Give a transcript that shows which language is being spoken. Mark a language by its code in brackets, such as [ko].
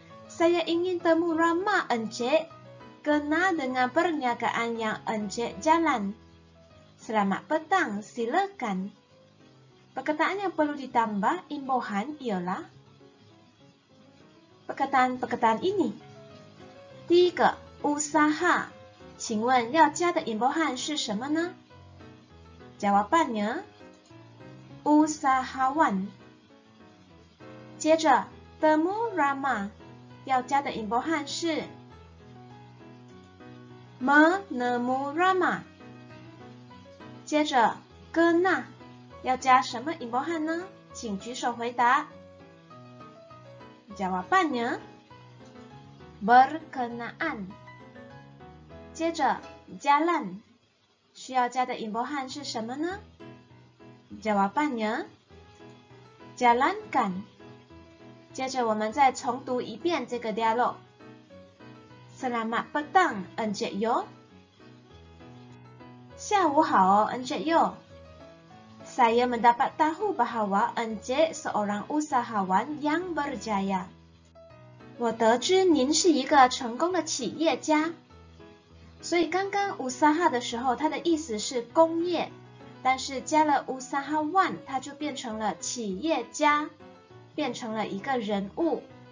[ms] Saya ingin temu ramah Encik, kenal dengan perniagaan yang Encik jalan. Selamat petang, silakan. Perkataan yang perlu ditambah imbuhan ialah perkataan-perkataan ini. [zh] 第一个, usaha. 请问要加的imbuhan是什么呢? [ms] Jawapannya, usahawan. [zh] 接着, temu ramah. 要加的imbuhan是 menemu ramah. 接着, kena. 要加什么imbuhan呢? 请举手回答. [ms] Jawapannya, berkenaan. [zh] 接着, jalan. 需要加的imbuhan是什么呢? [ms] Jawapannya, jalankan. [zh] 接着我们再重读一遍这个 dialog. [ms] Selamat petang, Encik Yeo. [zh] 下午好, [ms] Encik Yeo. Saya mendapat tahu bahawa Encik seorang usahawan yang berjaya. [zh] 我得知您是一个成功的企业家。所以刚刚 usaha 的时候，它的意思是工业。但是加了 usahawan， 它就变成了企业家，变成了一个人物。